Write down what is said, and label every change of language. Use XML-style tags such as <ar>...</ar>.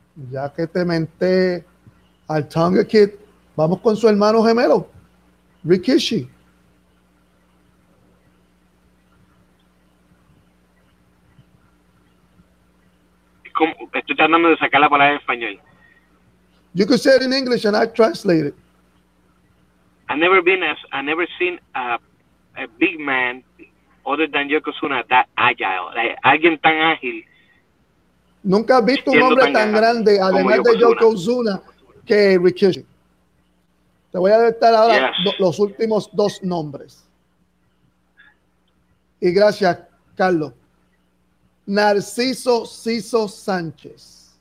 <es>Ya que te menté al Tonga Kid, vamos con su hermano gemelo, Rikishi. ¿Cómo? Estoy tratando de sacar la palabra en español.</es> <en>You could say it in English and I translate it. I've never seen a big man other than Yokozuna that agile.</en> <es>Like, alguien tan ágil. Nunca has visto un hombre tan grande, además de Yokozuna. Que Rikishi. Te voy a dar ahora los últimos dos nombres. Y gracias, Carlos. Narciso Ciso Sánchez.</es>